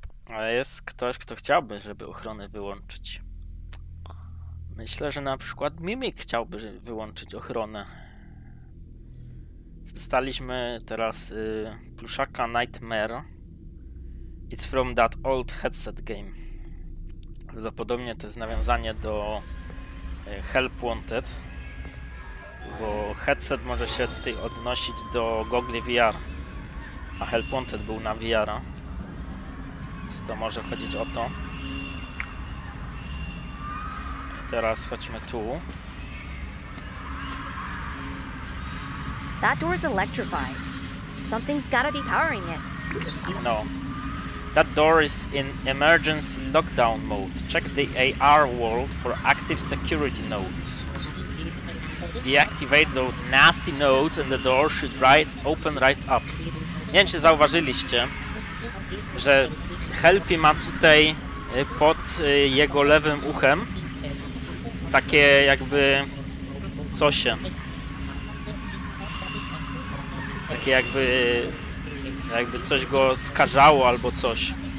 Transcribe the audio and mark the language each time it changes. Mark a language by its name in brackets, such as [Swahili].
[Polish] Ale jest ktoś, kto chciałby, żeby ochronę wyłączyć. Myślę, że na przykład Mimik chciałby wyłączyć ochronę. Dostaliśmy teraz pluszaka Nightmare. [English] It's from that old headset game. [Polish] Prawdopodobnie to jest nawiązanie do Help Wanted. Bo headset może się tutaj odnosić do gogli VR. A Help Wanted był na VR-a. Więc to może chodzić o to. I teraz chodźmy tu. [English] That door's electrified. Something's gotta be powering it. [Polish] No. [English] That door is in emergency lockdown mode. Check the AR world for active security nodes. Deactivate those nasty nodes and the door should open right up. [Polish] Nie wiem, czy zauważyliście, że Helpy ma tutaj pod jego lewym uchem takie jakby cosie. Takie jakby coś go skażało albo coś.